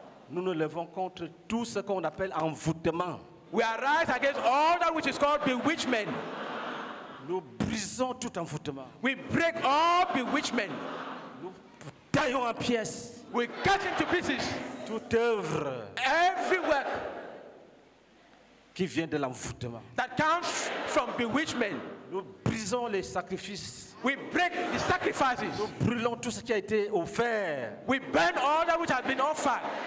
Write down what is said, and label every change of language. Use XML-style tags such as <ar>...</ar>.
<fr>Nous nous levons contre tout ce qu'on appelle envoûtement.</fr> <en>We arise against all that which is called bewitchment.</en> <fr>Nous brisons tout envoûtement.</fr> <en>We break all bewitchment.</en> <fr>Nous taillons en pièces.</fr> <en>We cut into pieces.</en> <fr>Toute œuvre.</fr> <en>Every work.</en> <fr>Qui vient de l'envoûtement.</fr> <en>That comes from bewitchment.</en> <fr>Nous brisons les sacrifices.</fr> <en>We break the sacrifices.</en> <fr>Nous brûlons tout ce qui a été offert.</fr> <en>We burn all that which has been offered.</en>